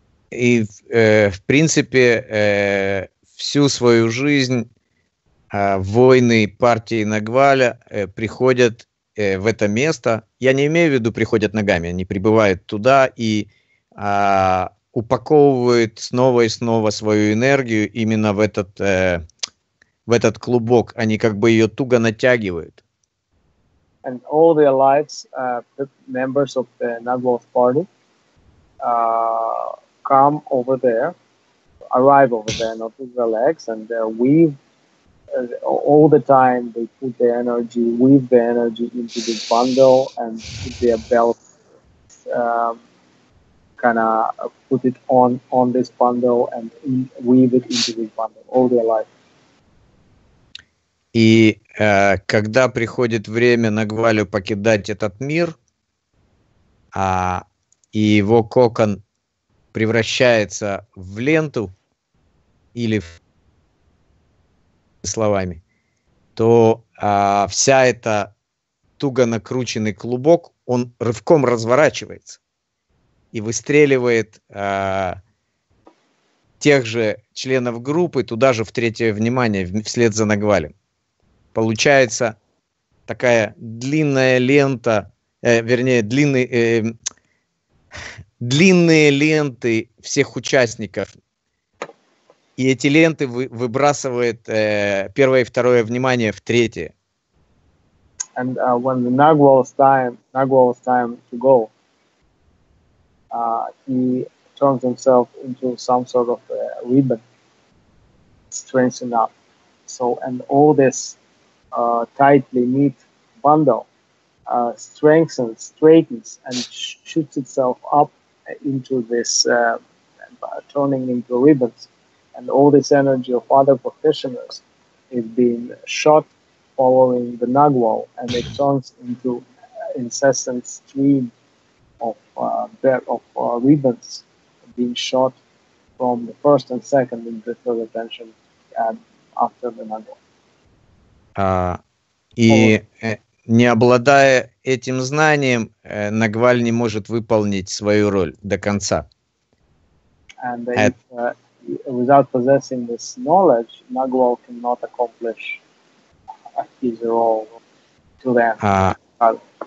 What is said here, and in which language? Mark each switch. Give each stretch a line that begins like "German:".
Russian: И в принципе всю свою жизнь войны партии Нагваля приходят в это место. Я не имею в виду приходят ногами, они прибывают туда и упаковывают снова и снова свою энергию именно в этот клубок. Они как бы ее туго натягивают.
English: And all their lives, members of the Nagual party come over there, arrive over there, not with their legs, and weave. All the time they put their energy, weave their energy into this bundle and put their belt, kind of put it on this bundle and weave it into this bundle all their life.
Russian: И когда приходит время Нагвалю покидать этот мир, и его кокон превращается в ленту или в словами, то вся эта туго накрученный клубок, он рывком разворачивается и выстреливает тех же членов группы туда же в третье внимание, вслед за Нагвалем. Получается такая длинная лента, длинные ленты всех участников. И эти ленты выбрасывает первое и второе внимание в третье.
English: And when the Nagual's time to go, he turns himself into some sort of a ribbon, strings up. So and all this tightly knit bundle strengthens, straightens, and shoots itself up into this turning into ribbons. And all this energy of other practitioners is being shot following the Nagual, and it turns into incessant stream of ribbons being shot from the first and second in the third attention after the Nagual.
Russian: И не обладая этим знанием, Нагваль не может выполнить свою роль до конца.
English: And without possessing this knowledge, Nagual cannot accomplish his role to the end.